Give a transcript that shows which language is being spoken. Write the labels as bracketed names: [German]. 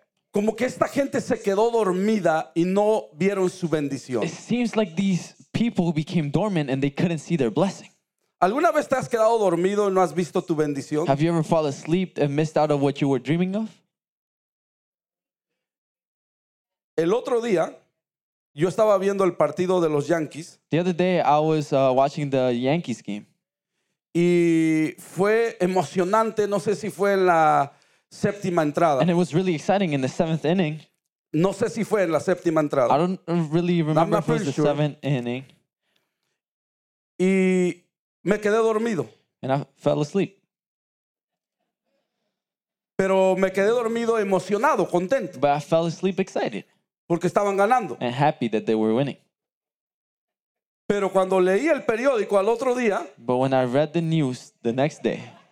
[Spanish] Como que esta gente se quedó dormida y no vieron su bendición. [English] It seems like these people became dormant and they couldn't see their blessing. [Spanish] ¿Alguna vez te has quedado dormido y no has visto tu bendición? [English] Have you ever fallen asleep and missed out of what you were dreaming of? [Spanish] El otro día, yo estaba viendo el partido de los Yankees. [English] The other day, I was watching the Yankees game. [Spanish] Y fue emocionante, no sé si fue en la séptima entrada. [English] And it was really exciting in the seventh inning. [Spanish] No sé si fue en la séptima entrada. [English] I don't really remember if it was the seventh inning. [Spanish] Y me quedé dormido. [English] And I fell asleep. [Spanish] Pero me quedé dormido emocionado, contento. [English] But I fell asleep excited. [Spanish] Porque estaban ganando. [English] And happy that they were winning. [Spanish] Pero cuando leí el periódico al otro día. [English] But when I read the news the next day.